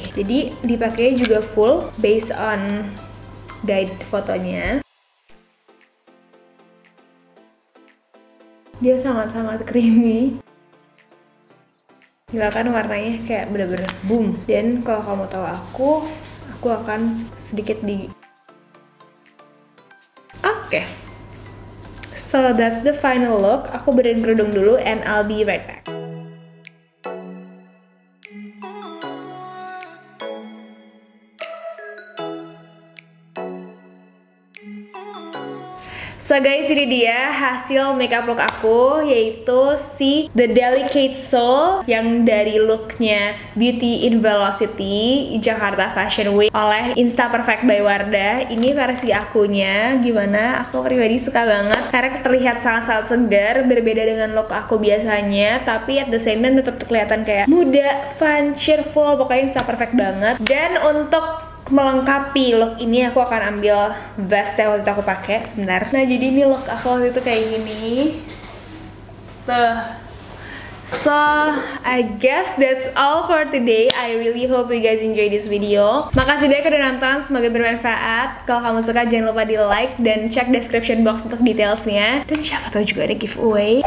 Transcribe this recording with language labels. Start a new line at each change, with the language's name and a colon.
Indonesian: Jadi dipakai juga full based on guide fotonya. Dia sangat-sangat creamy. Gila kan warnanya kayak bener-bener boom. Dan kalau kamu tahu aku akan sedikit di.
English: Oke, so that's the final look.
Indonesian: Aku beriin kerudung dulu
English: and I'll be right back.
Indonesian: So guys, ini dia hasil makeup look aku, yaitu si The Delicate Soul yang dari looknya Beauty in Velocity Jakarta Fashion Week oleh Insta Perfect by Wardah. Ini versi akunya, gimana? Aku pribadi suka banget karena terlihat sangat-sangat segar, berbeda dengan look aku biasanya, tapi
English: at the same time
Indonesian: tetap kelihatan kayak muda, fun, cheerful, pokoknya Insta Perfect banget. Dan untuk melengkapi look ini, aku akan ambil vest yang waktu itu aku pakai sebentar. Nah, jadi ini look aku waktu itu kayak gini tuh.
English: So, I guess that's all for today. I really hope you guys enjoy this video.
Indonesian: Makasih banyak udah nonton, semoga bermanfaat. Kalau kamu suka, jangan lupa di like dan cek description box untuk detailsnya. Dan siapa tahu juga ada giveaway.